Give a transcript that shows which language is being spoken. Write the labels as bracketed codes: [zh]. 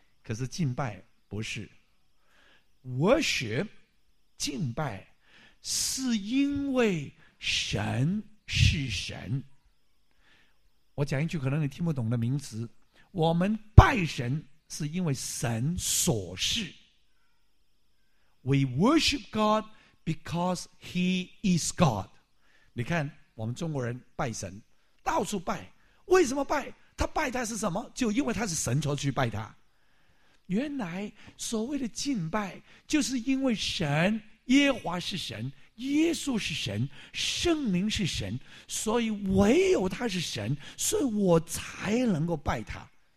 [zh] 可是敬拜不是 worship， 敬拜是因为神是神。我讲一句可能你听不懂的名词，我们拜神是因为神所是。 [en] We worship God because He is God。 [zh] 你看我们中国人拜神到处拜，为什么拜他？拜他是什么？就因为他是神，才去拜他。原来所谓的敬拜，就是因为神耶和华是神，耶稣是神，圣灵是神，所以唯有他是神，所以我才能够拜他。